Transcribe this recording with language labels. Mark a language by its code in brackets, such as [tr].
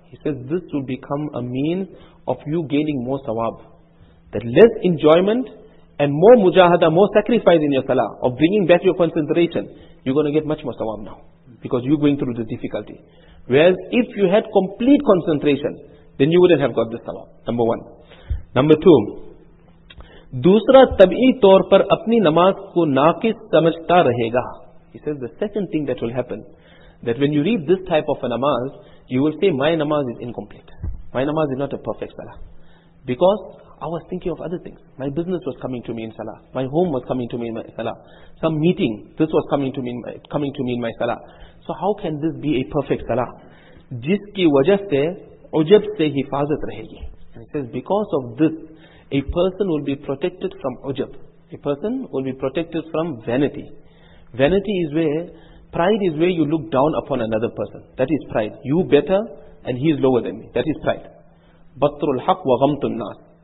[en] He says this will become a means of you gaining more sawab. That less enjoyment and more mujahada, more sacrifice in your salah, of bringing back your concentration, you're going to get much more sawab now. because you're going through the difficulty. Whereas if you had complete concentration, then you wouldn't have got the salah. Number one. Number two, [ur] دوسرا طبعی طور پر اپنی نماز کو ناقص سمجھتا رہے گا. [en] He says the second thing that will happen, that when you read this type of a namaz, you will say my namaz is incomplete. My namaz is not a perfect salah. Because I was thinking of other things. My business was coming to me in salah. My home was coming to me in my salah. Some meeting, this was coming to me in my salah. So how can this be a perfect salah? [ur] جس کی وجہ سے عجب سے حفاظت رہے گی. [en] And he says, because of this, a person will be protected from ujub. A person will be protected from vanity. Vanity is where, pride is where you look down upon another person. That is pride. You better and he is lower than me. That is pride. [ar] بطر الحق وغمط الناس.